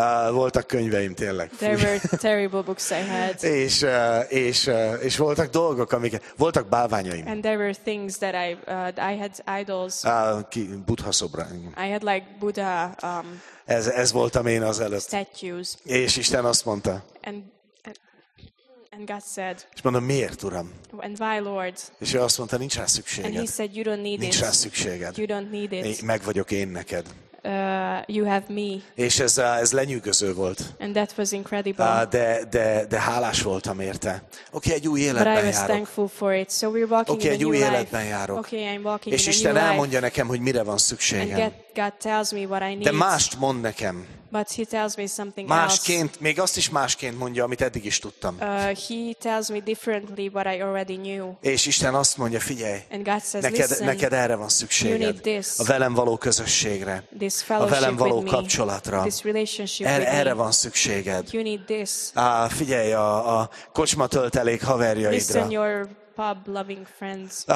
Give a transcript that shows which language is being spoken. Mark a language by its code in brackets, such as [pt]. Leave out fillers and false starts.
[hu] Voltak könyveim, tényleg. Fúj. [en] There were terrible books I had. [hu] És voltak dolgok, amiket voltak bálványaim. [en] And there were things that I had idols. [hu] Buddha szobra. [en] I had like Buddha. [hu] Ez voltam én az előtt. [en] Statues. [hu] És Isten azt mondta. [en] And God said. [hu] És mondom, miért, Uram? [en] And why, Lord? [hu] És ő azt mondta, nincs rá szükséged. [en] And he said, you don't need [hu] nincs [en] it. [hu] Nincs rá szükséged. [en] You don't need it. [hu] Meg vagyok én neked. [en] You have me. [hu] És ez lenyűgöző volt. [en] And that was incredible. [hu] De hálás voltam érte. Oké, egy új életben járok. [en] But I was thankful for it. So we're walking okay, in a new [hu] új életben járok. [en] Okay, I'm walking [hu] és [en] in [hu] Isten [en] a new [hu] elmondja [en] life [hu] nekem, hogy mire van szükségem. [en] And God tells me what I need. [hu] De mást mond nekem. [en] But he tells me something [hu] másként, [en] else. [hu] Még azt is másként mondja, amit eddig is tudtam. [en] He tells me differently what I already knew. [hu] És Isten azt mondja, figyelj, [en] and God says, [hu] neked erre van szükséged. [en] You need this, [hu] a velem való közösségre. [en] This fellowship [hu] a velem való [en] with me, [hu] kapcsolatra. [en] This relationship [hu] erre [en] me [hu] van szükséged. [en] You need this. [hu] Figyelj, a kocsma töltelék haverjaidra. [en] Listen, your pub loving friends.